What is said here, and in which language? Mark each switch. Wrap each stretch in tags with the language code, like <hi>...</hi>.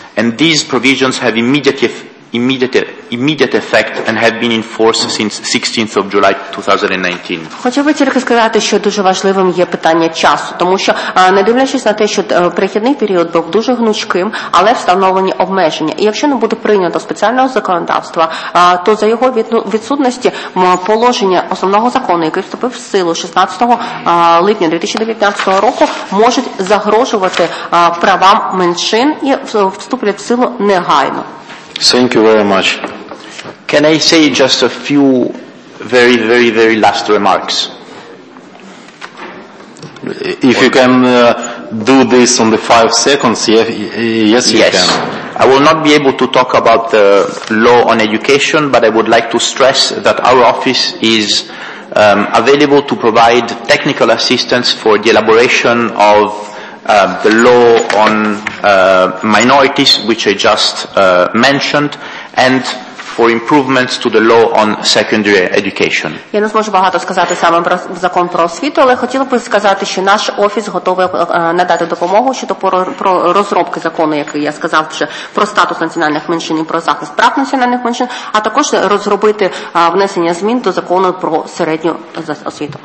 <en>And these provisions have immediate effect and have been in force since 16th of July 2019.</en> <uk>Хочу би тільки сказати, що дуже важливим є питання часу, тому що не дивлячись на те, що перехідний період був дуже гнучким, але встановлені обмеження. І якщо не буде прийнято спеціального законодавства, то за його відсутності положення основного закону, який вступив в силу 16 липня 2019 року, можуть загрожувати правам меншин і вступлять в силу негайно.</uk> <en>Thank you very much. Thank Can I say just a few very, very, very last remarks? If you can do this on the 5 seconds, yes, you can. I will not be able to talk about the law on education, but I would like to stress that our office is available to provide technical assistance for the elaboration of the law on minorities, which I just mentioned, and for improvements to the law on secondary education.</en> <uk>Я не зможу багато сказати саме про закон про освіту, але хотіла б сказати, що наш офіс готовий надати допомогу щодо про розробки закону, який я сказав вже, про статус національних меншин і про захист прав національних меншин, а також розробити внесення змін до закону про середню освіту.</uk>